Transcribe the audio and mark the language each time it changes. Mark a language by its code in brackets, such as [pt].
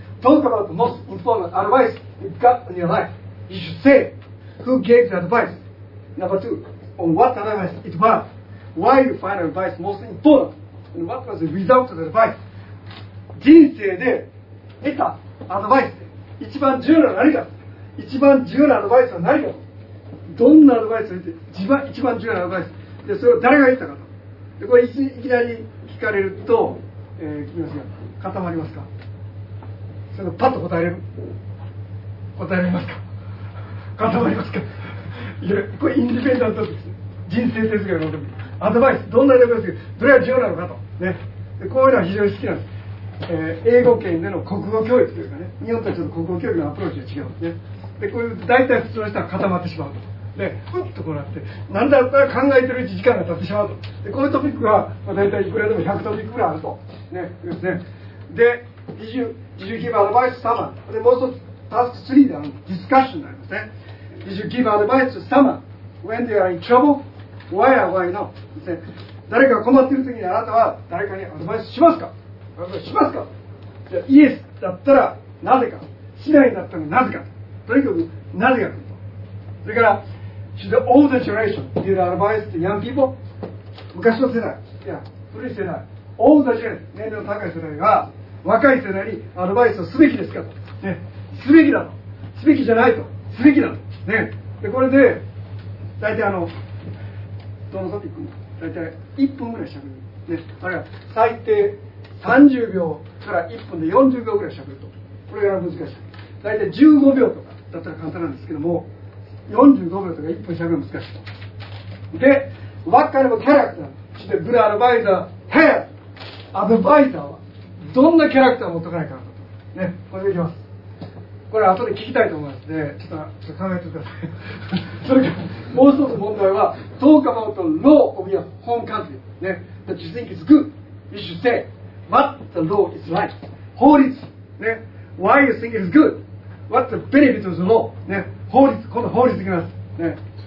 [en] Talk about the most important advice you've got in your life. You should say who gave the advice. Number 2, on what advice it was. Why you find advice most important. And what was the result of the advice. [ja] 人生で得たアドバイス。一番重要な何か。一番重要なアドバイスは何か。どんなアドバイスを得て、一番重要なアドバイス。で、それを誰が言ったかと。で、これいきなり聞かれると、聞きますが、固まりますか。それをパッと答える、答えられますか、固まりますか。いや、これインディペンダントです。人生哲学のアドバイス、どんなアドバイスか、どれが重要なのかとね。で、こういうのは非常に好きなんです。英語圏での国語教育というかね、日本とはちょっと国語教育のアプローチが違うんですね。で、こういう大体普通の人は固まってしまうと。で、ふっとこうなって、なんだったら考えてるうち時間が経ってしまうと。で、こういうトピックが、まあ、大体いくらでも100トピックぐらいあると。ね、ですね。で、 [en] Did you give advice to someone? [ja] で、もう一つ、task 3であの、ディスカッションになりますね。 [en] Did you give advice to someone when they are in trouble? Why or why not? [ja] ですね。誰かが困っている時にあなたは誰かにアドバイスしますか？アドバイスしますか？じゃあ、イエスだったらなぜか。しないだったらなぜか。とにかく、なぜか。それから、 [en] to the older generation, give advice to young people? [ja] 昔の世代、いや、古い世代、 [en] older generation、 [ja] 年齢の高い世代は、若い世代にアドバイスをすべきですかと。ね。すべきだと。すべきじゃないと。すべきだと。ね。で、これで、大体どのトピックも。大体1分ぐらいしゃべる、ね、あるいは最低30秒から1分で40秒ぐらいしゃべると。これが難しい。大体15秒とかだったら簡単なんですけども、45秒とか1分しゃべる難しいと。 [en] で、What kind of character should a good advisor have? [ja] アドバイザーはどんなキャラクターを持っておかないかなと、ね、これでいきます。これ後で聞きたいと思いますので、ちょっと考えてください。 [en] それから、もう一つ問題は、Talk about the law of your home country.、ね、that you think is good. You should say, what the law is like. [ja] 法律、ね。 [en] Why you think it's good. What the benefit of the law.、 [ja] ね、法律、この法律いきます、ね。